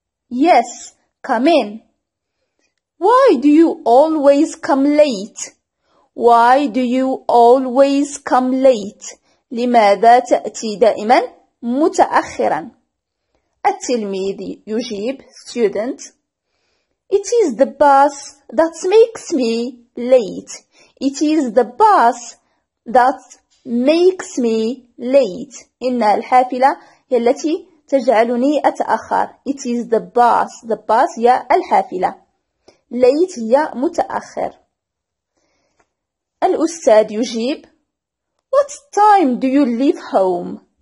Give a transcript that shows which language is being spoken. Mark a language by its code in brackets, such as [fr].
[en] Yes, come in. Why do you always come late? Why do you always come late? [ar] لماذا تأتي دائما متأخرا؟ التلميذ يجيب [en] student. It is the bus that makes me late. It is the bus that makes me late. [ar] إن الحافلة هي التي تجعلني أتأخر. [en] It is the bus. The bus [ar] هي الحافلة. [en] late [ar] هي متأخر. الأستاذ يجيب [en] What time do you leave home?